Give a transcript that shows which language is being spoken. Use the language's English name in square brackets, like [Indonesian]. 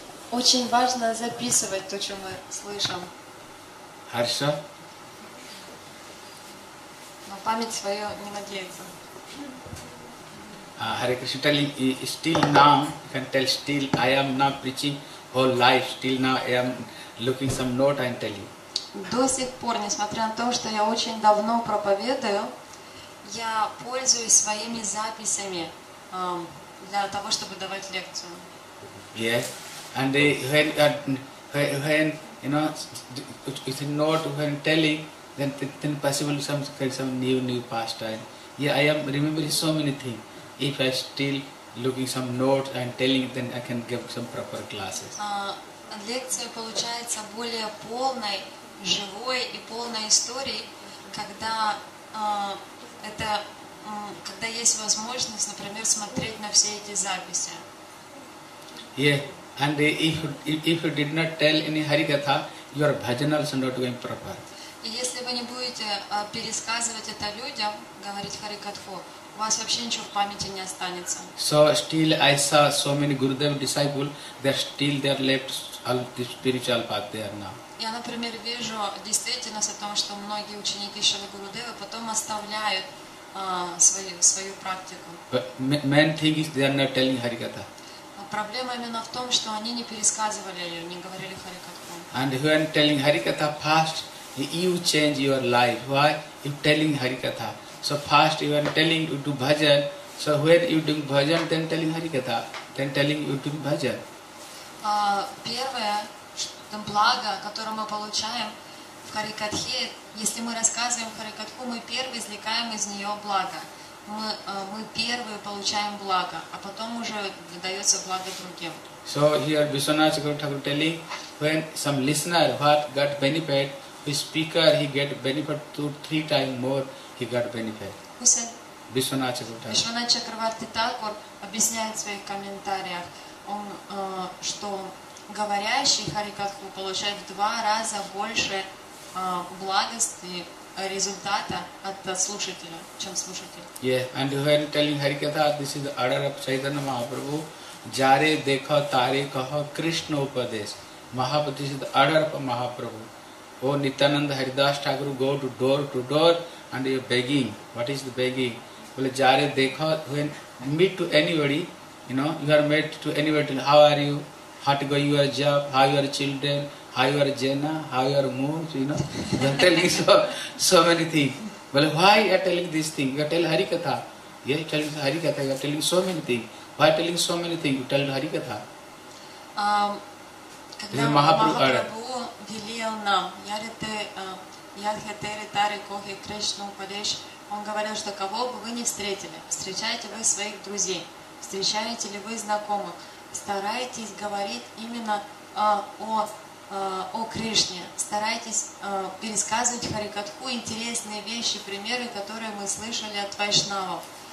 [Russian] Очень важно записывать то, что мы слышим. Хорошо. Но память свою не надеется. [English] Hare Krishna telling, still now, you can tell still, I am not preaching whole life, still now I am looking some note, I'm telling you. [Russian] До сих пор, несмотря на то, что я очень давно проповедую, я пользуюсь своими записями для того, чтобы давать лекцию. [English] Yes. And when you know, it's not when telling, then possible some new pastime. Yeah, I am remembering so many things. If I still looking some notes and telling, then I can give some proper classes. [Russian] Лекция получается более полной, живой и полной истории, когда это когда есть возможность, например, смотреть на все эти записи. [English] Yeah. And if you did not tell any Harikatha, your bhajan also not going proper. [Russian] И если вы не будете пересказывать это людям, говорить Харикатху, у вас вообще ничего в памяти не останется. [English] So still I saw so many Gurudev disciples, they still they are left all the spiritual path there now. [Russian] Я, например, вижу действительность о том, что многие ученики Шрилы Гурудевы потом оставляют свою практику. [English] But main thing is they are not telling Harikatha. [Russian] Проблема именно в том, что они не пересказывали ее, не говорили Харикатху. [English] And when telling Harikatha fast, you change your life. Why? You telling Harikatha. So fast you are telling you do bhajan. So when you doing bhajan, then telling Harikatha. Then telling you doing bhajan. [Russian] Первое, что, благо, которое мы получаем в Харикатхе, если мы рассказываем Харикатху, мы первые извлекаем из нее благо. Мы первые получаем благо, а потом уже дается благо другим. [English] So here Vishwanath Thakur telling, when some listener heart got benefit, the speaker he get benefit 2-3 times more he got benefit. [Russian] Vishwanath Chakravarti Thakur объясняет в своих комментариях, он что говорящий Харикатху получает в 2 раза больше благости. Результата от слушателя, чем слушатель. [English] Yeah, and when telling Harikatha, this is the order of Chaitanya Mahaprabhu. [Bangla] Jare dekha tare kaha Krishna upadesh. [English] Mahaprabhu, this is the order of Mahaprabhu. Oh, Nityananda Haridas Thakur go to door and you're begging. What is the begging? Well, [Bangla] jare dekha, [English] when meet to anybody, you know, you are met to anybody. How are you? How to go your job? How your children? How your jena, how your moon, you know, you are telling so many things. Well, why you are telling this thing? You are telling Harikatha. Yeah, you telling Harikatha, you are telling so many things. Why are you telling so many things? You tell Harikatha. [Russian] Когда Махапрабху велел нам, [Bangla] Ярхетери Тари Кохи Кришну Падеш, [Russian] он говорил, что кого бы вы не встретили, встречаете вы своих друзей, встречаете ли вы знакомых, старайтесь говорить именно о Кришне, старайтесь пересказывать Харикатху интересные вещи, примеры, которые мы слышали от вайшнавов,